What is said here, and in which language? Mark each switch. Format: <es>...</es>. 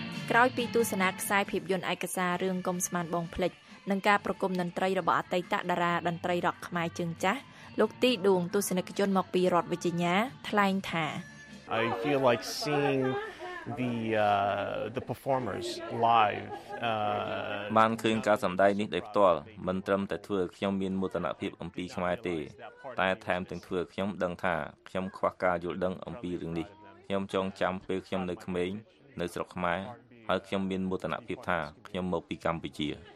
<km>ក្រោយពីទស្សនាខ្សែភាពយន្តឯកសាររឿងកុំស្មានបងភ្លេចនឹងការប្រគំតន្ត្រីរបស់អតីតតារាតន្ត្រីរ៉ក់ខ្មែរជើងចាស់លោកទីដួងទស្សនិកជនមកពីរដ្ឋវីជីញ៉ាថ្លែងថា</km> <en>I feel like seeing the performers live</en> <km>បានឃើញការសម្ដែងនេះដោយផ្ទាល់មិនត្រឹមតែធ្វើឲ្យខ្ញុំមានមោទនភាពអំពីខ្មែរទេតែថែមទាំងធ្វើឲ្យខ្ញុំដឹងថាខ្ញុំខ្វះការយល់ដឹងអំពីរឿងនេះខ្ញុំចង់ចាំពេលខ្ញុំនៅក្មេងនៅស្រុកខ្មែរហើយខ្ញុំមានមោទនភាពថាខ្ញុំមកពីកម្ពុជា</km>